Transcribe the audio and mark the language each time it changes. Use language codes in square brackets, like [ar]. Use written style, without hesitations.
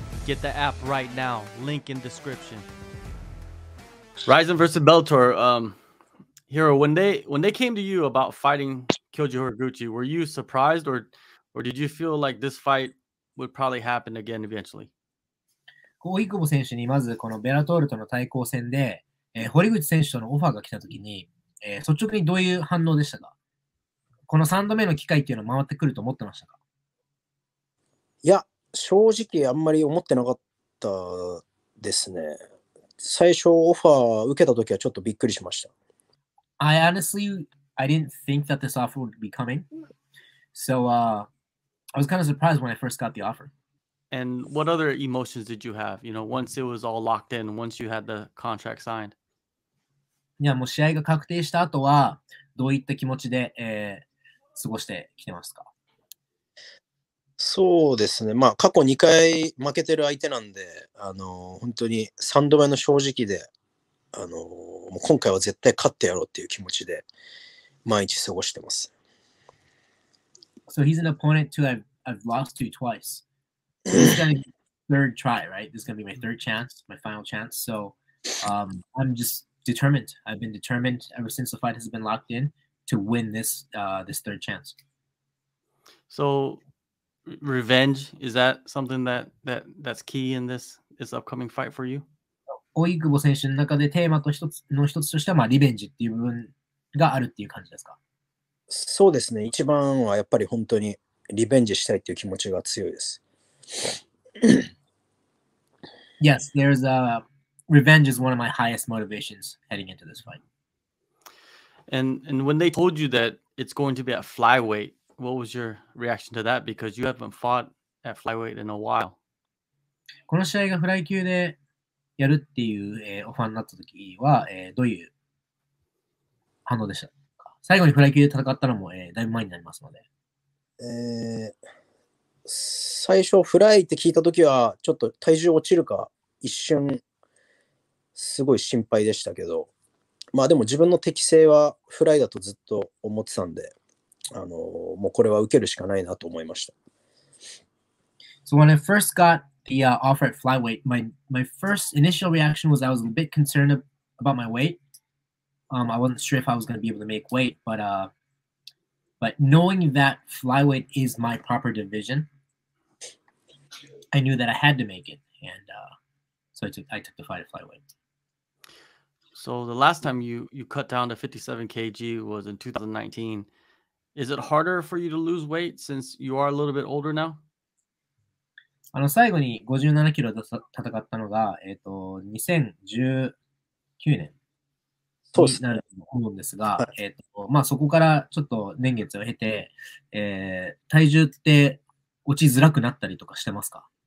[en] Get the app right now. Link in description. Rizin versus Bellator. Hiro, when they came to you about fighting Kyoji Horiguchi, were you surprised or did you feel like this fight would probably happen again eventually? [ja] Ougikubo 選手にまずこのベラトールとの対抗戦で、堀口選手とのオファーが来た時に、率直にどういう反応でしたか？この3度目の機会っていうのを回ってくると思ってましたか？いや、正直あんまり思ってなかったですね。最初オファー受けた時はちょっとびっくりしました。 [en] I honestly, I didn't think that this offer would be coming. So, I was kind of surprised when I first got the offer. And what other emotions did you have? You know, once it was all locked in, once you had the contract signed? [ja] Yeah, もう試合が確定した後は、どういった気持ちで、過ごしてきてますか？そうですね。まあ、過去2回負けてる相手なんで、本当に3度目の正直で、もう今回は絶対勝ってやろうっていう気持ちで毎日過ごしてます。 [en] So he's an opponent too. I've lost to twice. This is gonna be third try, right? This is gonna be my third chance, my final chance. So, I'm just determined. I've been determined ever since the fight has been locked in to win this this third chance. So, revenge is that something that's key in this upcoming fight for you? [ja] Ougikubo 選手の中でテーマと一つとしては、まあ、リベンジっていう部分があるっていう感じですか？そうですね。一番はやっぱり本当にリベンジしたいっていう気持ちが強いです。 [en] Yes, there's a revenge is one of my highest motivations heading into this fight. And when they told you that it's going to be at flyweight, what was your reaction to that? Because you haven't fought at flyweight in a while. [ja] この試合がフライ級でやるっていう、オファーになった時は、どういう反応でしたか？最後にフライ級で戦ったのも、だいぶ前になりますので、最初フライって聞いた時はちょっと体重落ちるか一瞬すごい心配でしたけど、まあでも自分の適性はフライだとずっと思ってたんで、もうこれは受けるしかないなと思いました。 [en] So when I first gotThe offer at flyweight, my first initial reaction was I was a bit concerned about my weight. I wasn't sure if I was going to be able to make weight, but knowing that flyweight is my proper division, I knew that I had to make it, and so I took the fight at flyweight. So the last time you cut down to 57 kg was in 2019. Is it harder for you to lose weight since you are a little bit older now? [ja] 最後に57キロで戦ったのが、2019年になると思うんですが、はい、まあ、そこからちょっと年月を経て、体重って落ちづらくなったりとかしてますか？